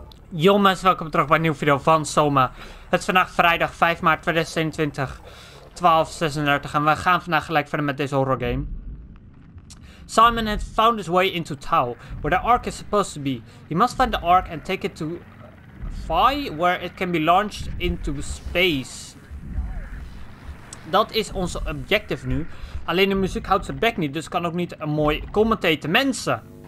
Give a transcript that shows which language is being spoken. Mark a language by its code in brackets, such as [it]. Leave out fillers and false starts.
[nl] Yo mensen, welkom terug bij een nieuwe video van Soma. Het is vandaag vrijdag 5 maart 2021, 12:36 en we gaan vandaag gelijk verder met deze horror game. [en] Simon had found his way into Tau, where the Ark is supposed to be. He must find the Ark and take it to Phi, where it can be launched into space. [nl] Dat is onze objective nu. Alleen de muziek houdt zijn bek niet, dus kan ook niet een mooi commentaten mensen.